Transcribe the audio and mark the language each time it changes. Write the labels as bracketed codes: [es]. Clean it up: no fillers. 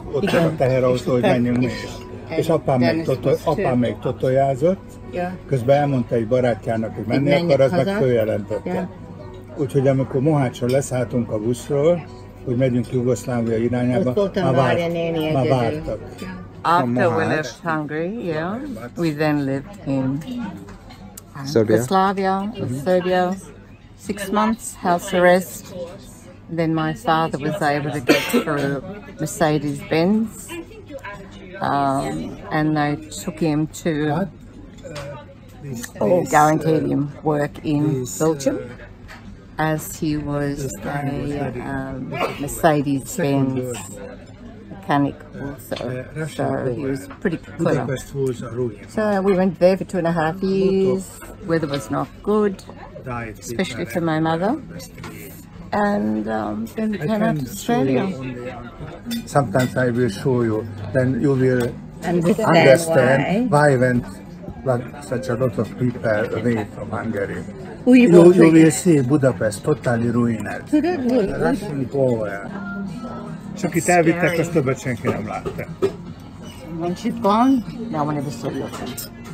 [hu] Ott van a teherautó, hogy menjünk mi. És apám még totojázott, közben elmondta egy barátjának, hogy menni akar, az meg följelentette. Úgyhogy amikor Mohácson leszálltunk a buszról, hogy megyünk Jugoszlávia irányába, már vártak. [en] After we left Hungary, we then lived in Yugoslavia, Serbia, 6 months house arrest. Then my father was able to get through Mercedes-Benz, and they took him to, or guaranteed him work in Belgium, as he was a Mercedes-Benz mechanic also, so he was pretty clever. So we went there for 2.5 years, weather was not good, especially for my mother, and then we came out to Australia. Sometimes I will show you, then you will understand why went like such a lot of people away from Hungary. You will see Budapest totally ruined. Russian power. [hu] Csak itt elvittek, azt többet senki nem látta. [en] When she's gone, no one ever saw your face.